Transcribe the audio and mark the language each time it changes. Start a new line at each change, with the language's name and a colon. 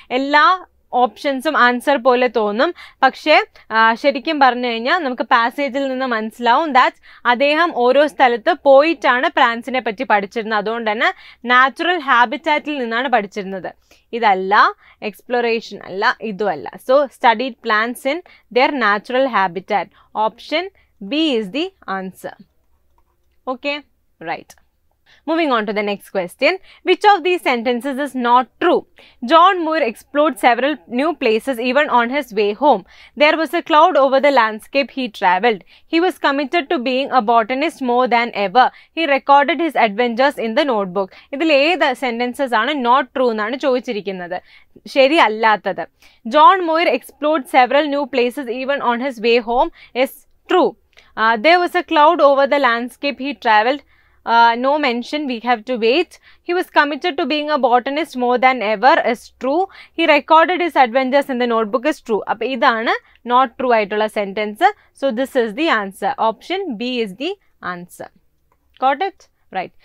Malayalam: എല്ലാ ഓപ്ഷൻസും ആൻസർ പോലെ തോന്നും, പക്ഷേ ശരിക്കും പറഞ്ഞു കഴിഞ്ഞാൽ നമുക്ക് പാസേജിൽ നിന്ന് മനസ്സിലാവും ദാറ്റ് അദ്ദേഹം ഓരോ സ്ഥലത്ത് പോയിട്ടാണ് പ്ലാന്റ്സിനെ പറ്റി പഠിച്ചിരുന്നത്. അതുകൊണ്ട് തന്നെ നാച്ചുറൽ ഹാബിറ്റാറ്റിൽ നിന്നാണ് പഠിച്ചിരുന്നത്, ഇതല്ല എക്സ്പ്ലോറേഷൻ അല്ല ഇതുമല്ല.
English: So studied plants in their natural habitat. Option B is the answer. Okay, right. Moving on to the next question, which of these sentences is not true? John Muir explored several new places even on his way home. There was a cloud over the landscape he traveled. He was committed to being a botanist more than ever. He recorded his adventures in the notebook.
Malayalam: ഇതിലെ ഏത് sentences ആണ് not true എന്നാണ് ചോദിച്ചിരിക്കുന്നത്, ശരിയല്ലാത്തത്.
English: John Muir explored several new places even on his way home is true. There was a cloud over the landscape he traveled. No mention, we have to wait. He was committed to being a botanist more than ever is true. He recorded his adventures in the notebook is true.
Malayalam: Appa idana
English: not true
Malayalam: aitulla
English: sentence. So this is the answer. Option B is the answer. Got it? Right.